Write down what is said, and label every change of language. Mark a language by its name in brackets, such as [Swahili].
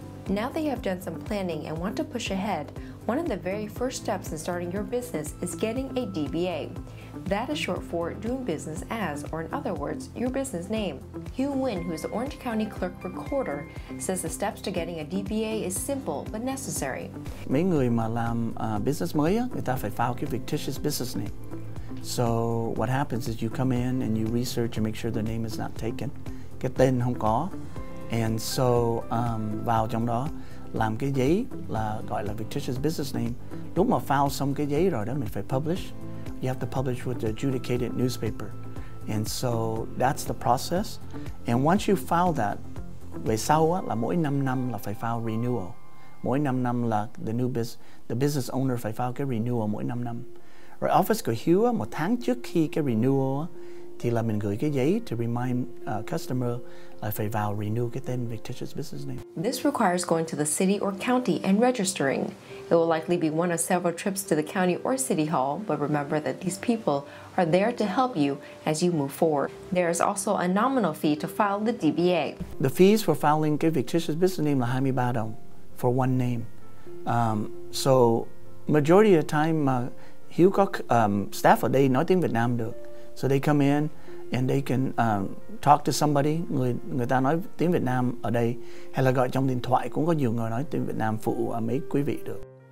[English] Now that you have done some planning and want to push ahead, one of the very first steps in starting your business is getting a DBA. That is short for Doing Business As, or in other words, your business name. Hugh Nguyen, who is the Orange County Clerk Recorder, says the steps to getting a DBA is simple but necessary. [Vietnamese] Mấy người mà làm business mới, người ta phải file cái fictitious business name. [English] So what happens is you come in and you research and make sure the name is not taken. [Vietnamese] Cái tên không có. [English] And so [Vietnamese] vào trong đó làm cái giấy là gọi là fictitious business name. Lúc mà file xong cái giấy rồi đó, mình phải publish. [English] You have to publish with the adjudicated newspaper. And so that's the process. And once you file that, [Vietnamese] về sau á, là mỗi 5 năm là phải file renewal. Mỗi 5 năm là [English] the business owner [Vietnamese] phải file cái renewal mỗi 5 năm. Rồi office của Hugh á, một tháng trước khi cái renewal á, thì là mình gửi cái giấy [English] to remind customer [Vietnamese] là phải vào renew cái tên fictitious business name. [English] This requires going to the city or county and registering. It will likely be one of several trips to the county or city hall, but remember that these people are there to help you as you move forward. There is also a nominal fee to file the DBA. The fees for filing cái fictitious business name là 23 đồng for one name. So majority of the time, [Vietnamese] Hugh có staff ở đây nói tiếng Việt Nam được. [English] So they come in and they can talk to somebody, [Vietnamese] người ta nói tiếng Việt Nam ở đây, hay là gọi trong điện thoại cũng có nhiều người nói tiếng Việt Nam phụ mấy quý vị được.